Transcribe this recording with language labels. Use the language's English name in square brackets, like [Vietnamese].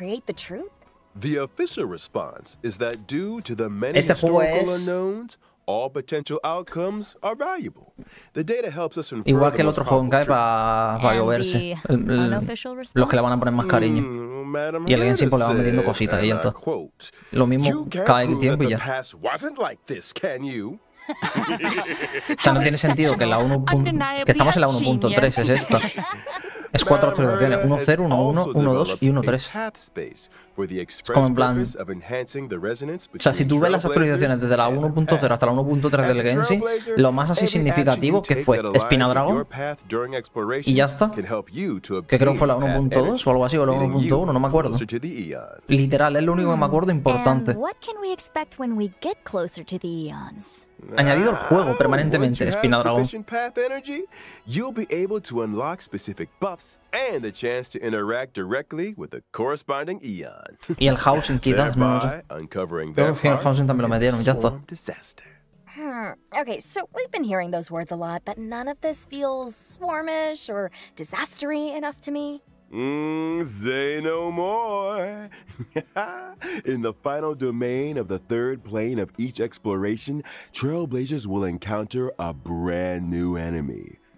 [English] The official response is that due to the many historical unknowns, all potential outcomes are valuable. The data helps us infer. [Spanish] Igual que el otro Honkai va a lloverse. Los que le van a poner más cariño. Y alguien siempre le va metiendo cositas y esto. Lo mismo cae el tiempo y ya. O sea, no tiene sentido que la 1. Que estamos en la 1.3, es esto. Es cuatro actualizaciones: 1.0, 1.1, 1.2 y 1.3. Como en plan. O sea, si tú ves las actualizaciones desde la 1.0 hasta la 1.3 del Genshin, lo más así significativo que fue Espinadragón. Y ya está. Que creo que fue la 1.2 o algo así, o la 1.1, no me acuerdo. Literal, es lo único que me acuerdo importante. Añadido al juego permanentemente, Espinadragón. [English] You'll be able to unlock specific buffs and the chance to interact directly with the corresponding eon. [Spanish] Y el housing quizás, no sé. [English] Uncovering that. [Spanish] Creo que el housing también lo metieron, ya está. [English] Okay, so we've been hearing those words a lot, but none of this feels swarmish or disaster-y enough to me. Say no more. In the final domain of the third plane of each exploration, trailblazers will encounter a brand new enemy.